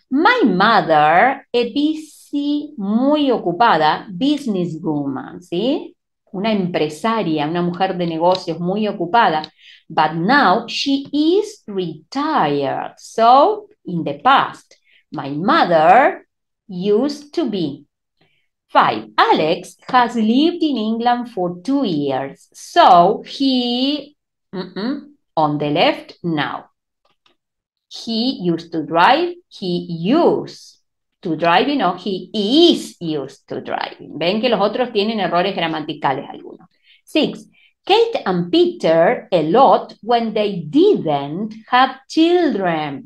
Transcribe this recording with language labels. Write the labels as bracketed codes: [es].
[en] My mother, a busy, [es] muy ocupada [en] businesswoman, ¿sí? [es] Una empresaria, una mujer de negocios muy ocupada. [en] But now she is retired. So, in the past, my mother used to be. 5. Alex has lived in England for 2 years. So, he, on the left now. He used to drive. He used. To drive, no, he is used to driving. [es] Ven que los otros tienen errores gramaticales algunos. 6. [en] Kate and Peter a lot when they didn't have children.